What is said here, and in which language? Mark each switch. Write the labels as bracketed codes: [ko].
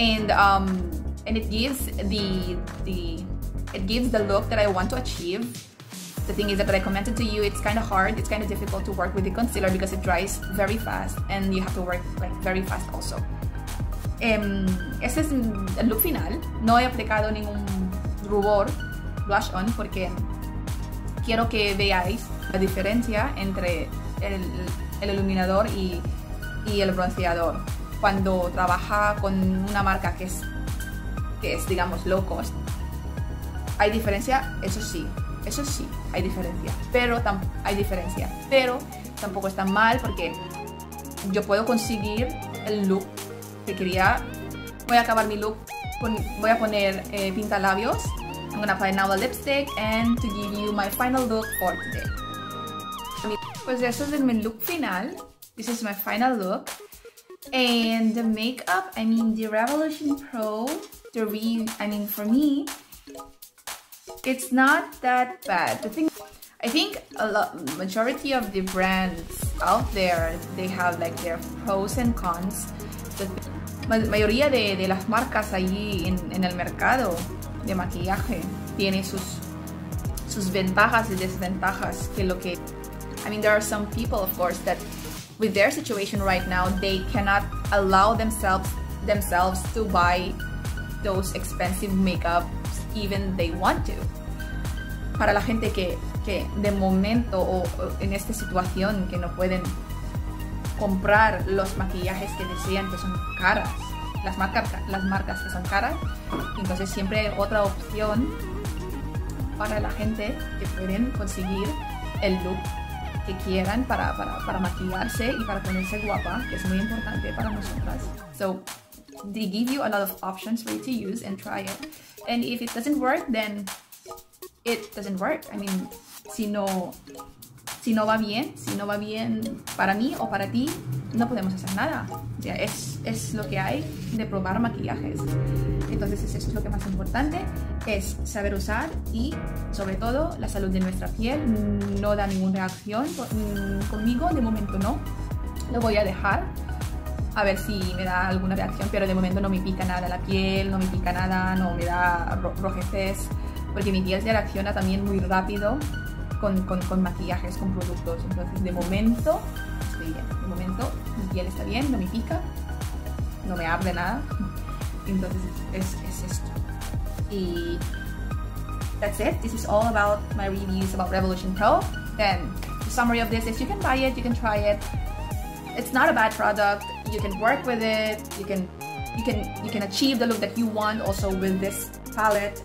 [en] And it gives the look that I want to achieve. The thing is that I commented to you, it's kind of hard. It's kind of difficult to work with the concealer because it dries very fast, and you have to work like very fast also. [es] Ese es el look final. No he aplicado ningún rubor blush on porque quiero que veáis la diferencia entre el iluminador y el bronceador. Cuando trabaja con una marca que es digamos low cost, hay diferencia, eso sí, hay diferencia, pero tampoco está mal porque yo puedo conseguir el look que quería. Voy a acabar mi look, voy a poner pinta labios. [en] I'm gonna apply now a lipstick and to give you my final look for today. [es] Pues eso es mi look final. [en] This is my final look. And the makeup, I mean the Revolution Pro, for me, it's not that bad. I think a lot, majority of the brands out there, they have like their pros and cons. [es] The mayoría de las marcas allí en el mercado de maquillaje tiene sus ventajas y desventajas que lo que. [en] I mean, there are some people, of course, that with their situation right now, they cannot allow themselves to buy those expensive makeup even they want to. [es] Para la gente que de momento o en esta situación que no pueden comprar los maquillajes que desean, que son caras, las marcas que son caras, entonces siempre hay otra opción para la gente que pueden conseguir el look que quieran para maquillarse y para ponerse guapa, que es muy importante para nosotras. So, [en] they give you a lot of options for you to use and try it. And if it doesn't work, then it doesn't work. [es] I mean, si no va bien para mí o para ti, no podemos hacer nada. O sea, es lo que hay de probar maquillajes. Entonces, eso es lo que más importante, es saber usar y, sobre todo, la salud de nuestra piel. No da ninguna reacción conmigo, de momento no. Lo voy a dejar a ver si me da alguna reacción, pero de momento no me pica nada la piel, no me pica nada, no me da rojeces, porque mi piel se reacciona también muy rápido con maquillajes, con productos. Entonces, de momento, estoy bien. De momento, mi piel está bien, no me pica, no me arde nada. Entonces, es esto. Y [en] that's it. This is all about my reviews about Revolution Pro. Then, the summary of this is you can buy it, you can try it. It's not a bad product. You can work with it. You can achieve the look that you want also with this palette.